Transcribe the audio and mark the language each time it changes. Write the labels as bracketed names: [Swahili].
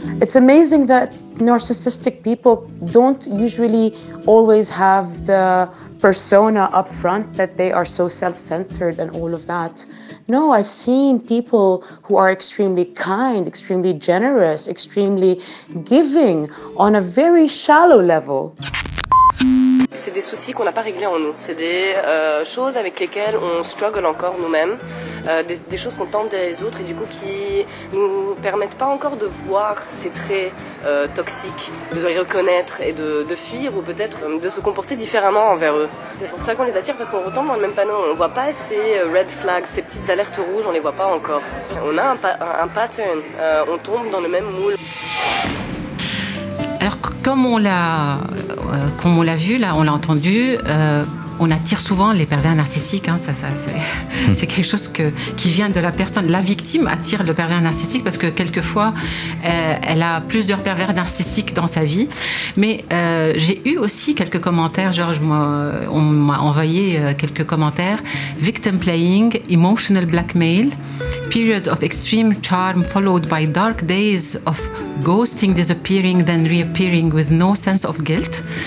[English] It's amazing that narcissistic people don't usually always have the persona up front that they are so self-centered and all of that. No, I've seen people who are extremely kind, extremely generous, extremely giving on a very shallow level. [French] C'est des soucis qu'on n'a pas réglés en nous. C'est des choses avec lesquelles on struggle encore nous-mêmes, des choses qu'on tente de résoudre et du coup qui ne nous permettent pas encore de voir ces traits toxiques, de les reconnaître et de fuir ou peut-être de se comporter différemment envers eux. C'est pour ça qu'on les attire, parce qu'on retombe dans le même panneau. On ne voit pas ces red flags, ces petites alertes rouges, on ne les voit pas encore. On a un pattern, on tombe dans le même moule. Alors, comme on l'a vu, là, on l'a entendu, on attire souvent les pervers narcissiques. Hein, c'est quelque chose qui vient de la personne. La victime attire le pervers narcissique parce que quelquefois, elle a plusieurs pervers narcissiques dans sa vie. Mais j'ai eu aussi quelques commentaires. Georges, on m'a envoyé quelques commentaires. [English] Victim playing, emotional blackmail, periods of extreme charm followed by dark days of ghosting, disappearing, then reappearing with no sense of guilt.